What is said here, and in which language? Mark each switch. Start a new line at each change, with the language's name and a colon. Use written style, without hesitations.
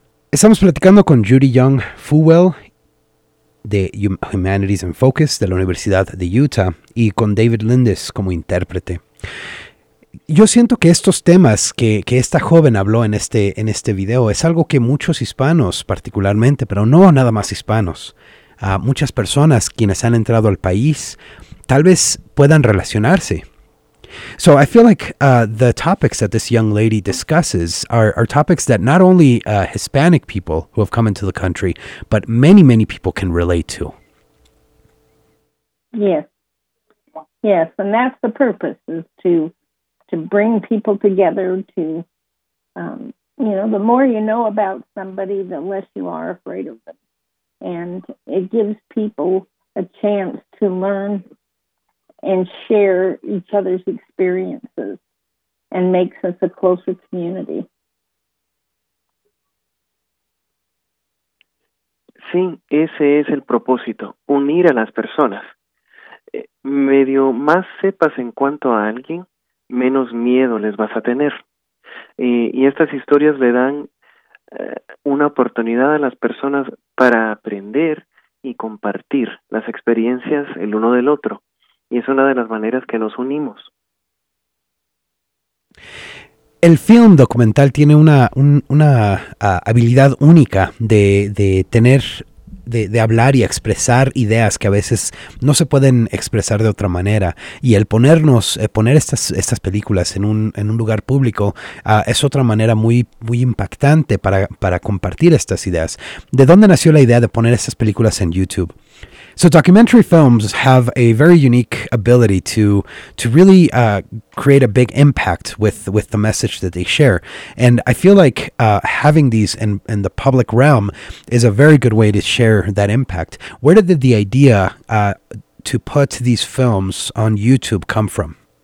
Spanish: Estamos platicando con Judy Young Fuwell de Humanities in Focus de la Universidad de Utah y con David Lindes como intérprete. Yo siento que estos temas que esta joven habló en este video es algo que muchos hispanos particularmente, pero no nada más hispanos, a muchas personas quienes han entrado al país tal vez puedan relacionarse.
English: So I feel like the topics that this young lady discusses are topics that not only Hispanic people who have come into the country, but many, many people can relate to. Yes, and that's the purpose, is to bring people together to, you know, the more you know about somebody, the less you are afraid of them. And it gives people a chance to learn and share each other's experiences and makes us a closer community.
Spanish: Sí, ese es el propósito, unir a las personas. Medio más sepas en cuanto a alguien, menos miedo les vas a tener. Y estas historias le dan una oportunidad a las personas para aprender y compartir las experiencias el uno del otro. Y es una de las maneras que nos unimos. El film documental tiene una habilidad única de hablar y expresar ideas que a veces no se pueden expresar de otra manera. Y el poner estas películas en un lugar público es otra manera muy, muy impactante para compartir estas ideas. ¿De dónde nació la idea de poner estas películas en YouTube?
English: So documentary films have a very unique ability to really create a big impact with the message that they share. And I feel like having these in the public realm is a very good way to share that impact. Where did the idea to put these films on YouTube come from?